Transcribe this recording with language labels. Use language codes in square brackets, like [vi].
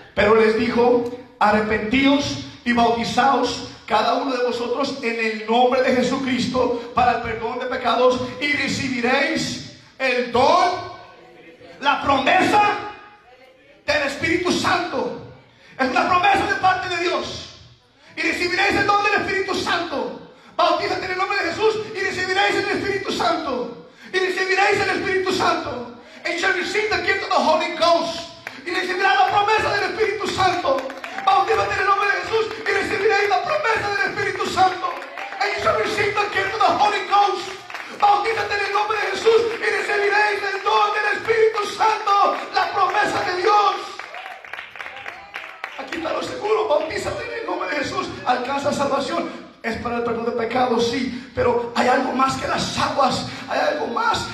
[es] Pero les dijo: arrepentíos y bautizaos cada uno de vosotros en el nombre de Jesucristo para el perdón de pecados, y recibiréis el don, la promesa del Espíritu Santo. Es una promesa de parte de Dios. Y recibiréis el don del Espíritu Santo. Bautízate en el nombre de Jesús y recibiréis el Espíritu Santo. Y recibiréis el Espíritu Santo. [en] And shall receive the gift of the Holy Ghost. [es] Y recibirá la promesa del Espíritu Santo. Bautízate en el nombre de Jesús y recibiréis la promesa del Espíritu Santo. [en] And shall receive the gift of the Holy Ghost. [es] Bautízate en el nombre de Jesús y recibiréis el don del Espíritu Santo, la promesa de Dios. Aquí está lo seguro. Bautízate en el nombre de Jesús, alcanza salvación. Es para el perdón de pecados, sí, pero hay algo más que las aguas. Hay algo más.